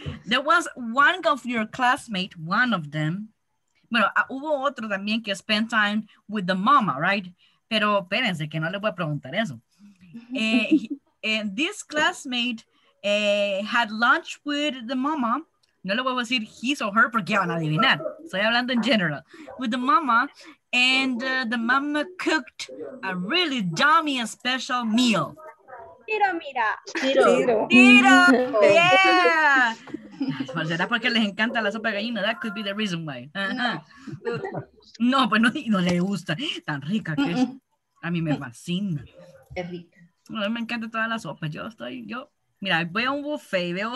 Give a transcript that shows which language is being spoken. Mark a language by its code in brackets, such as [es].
[en] There was one of your classmates, one of them. [es] Bueno, hubo otro también que [en] spent time with the mama, right? [es] Pero espérense que no le voy a preguntar eso. [en] And this classmate had lunch with the mama. [es] No le voy a decir [en] his or her [es] porque van a adivinar. Estoy hablando en general. [en] With the mama. And the mama cooked a really yummy special meal. [es] Tiro, mira. Tiro. Tiro. Yeah. ¿Será porque les encanta la sopa de gallina? [en] That could be the reason why. [es] No, pues no, no le gusta. Tan rica que es. A mí me fascina. Es rica. No, me encanta toda la sopa. Yo estoy, yo, mira, voy a un buffet y veo.